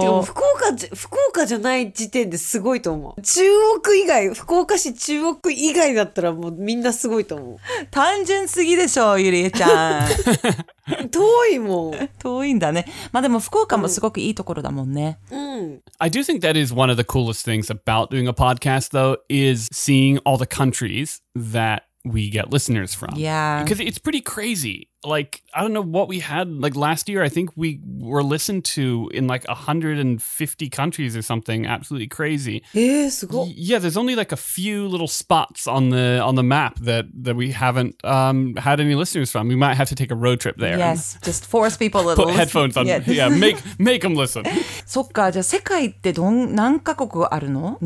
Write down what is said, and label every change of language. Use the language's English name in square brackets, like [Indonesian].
[Japanese] でも福岡じゃない時点ですごいと思う。中央区以外、福岡市中央区以外だったらもうみんなすごいと思う。単純すぎでしょ、ゆりえちゃん。遠いもん。遠いんだね。まあでも福岡もすごくいいところだもんね。 [English] I do think that is one of the coolest things about doing a podcast though is seeing all the countries that we get listeners from. Yeah. Because it's pretty crazy. Like, I don't know what we had. Like, last year, I think we were listened to in, like, 150 countries or something. Absolutely crazy. Yeah, there's only, like, a few little spots on the map that we haven't had any listeners from. We might have to take a road trip there. Yes, just force people to put listen. Headphones on. Yeah, yeah make them listen. [Japanese] そっか、じゃあ世界ってどん、何カ国あるの